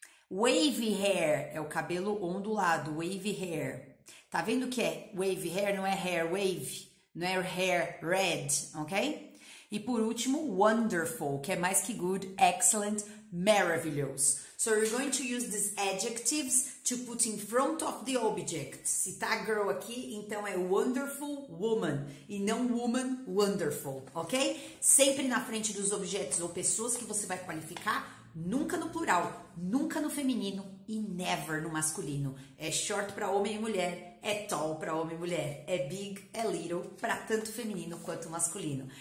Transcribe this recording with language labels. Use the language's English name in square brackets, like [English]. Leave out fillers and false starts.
[Portuguese] Wavy hair é o cabelo ondulado, wavy hair. Tá vendo que é wavy hair? Não é hair wave, não é hair red, ok? E por último, wonderful, que é mais que good, excellent, maravilhoso. [English] So you're going to use these adjectives to put in front of the object. [Portuguese] Se tá girl aqui, então é wonderful woman e não woman wonderful, ok? Sempre na frente dos objetos ou pessoas que você vai qualificar, nunca no plural, nunca no feminino e never no masculino. É short para homem e mulher, é tall para homem e mulher, é big, é little para tanto feminino quanto masculino.